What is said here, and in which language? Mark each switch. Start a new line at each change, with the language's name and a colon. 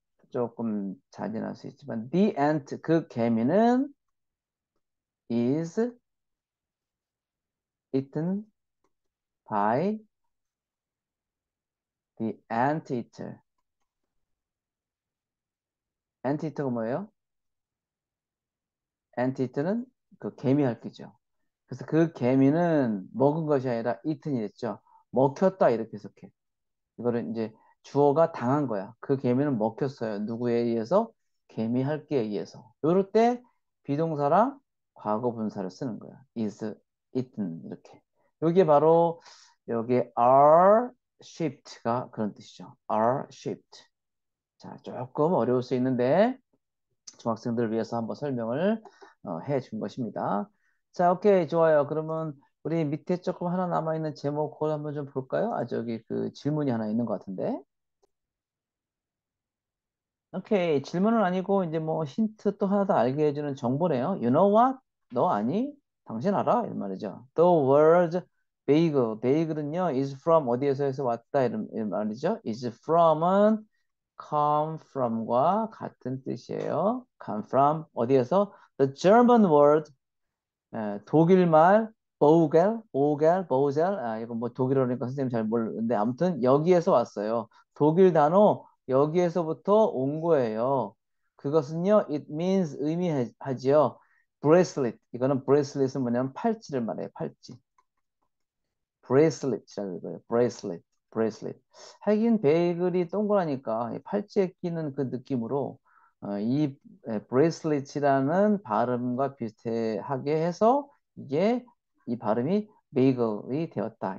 Korean: 조금 잔인할 수 있지만
English: the ant
Korean: 그 개미는
English: is eaten by the anteater.
Korean: anteater가 뭐예요? 엔티트는 그 개미 핥기죠. 그래서 그 개미는 먹은 것이 아니라 이튼이랬죠. 먹혔다 이렇게 해석해. 이거는 이제 주어가 당한 거야. 그 개미는 먹혔어요. 누구에 의해서? 개미 핥기에 의해서. 요럴 때 비동사랑 과거 분사를 쓰는 거야.
English: is eaten
Korean: 이렇게. 이게 바로 여기
English: are shipped
Korean: 가 그런 뜻이죠.
English: are shipped.
Korean: 자, 조금 어려울 수 있는데 중학생들을 위해서 한번 설명을 해준 것입니다. 자, 오케이, 좋아요. 그러면 우리 밑에 조금 하나 남아있는 제목 그걸 한번 좀 볼까요? 아, 저기 그 질문이 하나 있는 것 같은데. 오케이, 질문은 아니고 이제 뭐 힌트 또 하나 더 알게 해주는 정보네요.
English: You know what?
Korean: 너 아니? 당신 알아? 이런 말이죠.
English: The word bagel.
Korean: Bagel은요,
English: is from
Korean: 어디에서 해서 왔다 이런 말이죠. Is from은
English: come from
Korean: 과 같은 뜻이에요.
English: come from
Korean: 어디에서?
English: The German word
Korean: 독일말 보겔 보겔 보젤 아 이거 뭐 독일어니까 선생님 잘 모르는데 아무튼 여기에서 왔어요. 독일 단어 여기에서부터 온 거예요. 그것은요.
English: it means
Korean: 의미하지요. bracelet 이거는 bracelet은 뭐냐면 팔찌를 말해요. 팔찌. bracelet이라고 읽어요.
English: bracelet. 브레이슬릿.
Korean: 하긴 베이글이 동그라니까 팔찌에 끼는 그 느낌으로 이 브레이슬릿이라는 발음과 비슷하게 해서 이게 이 발음이 베이글이 되었다.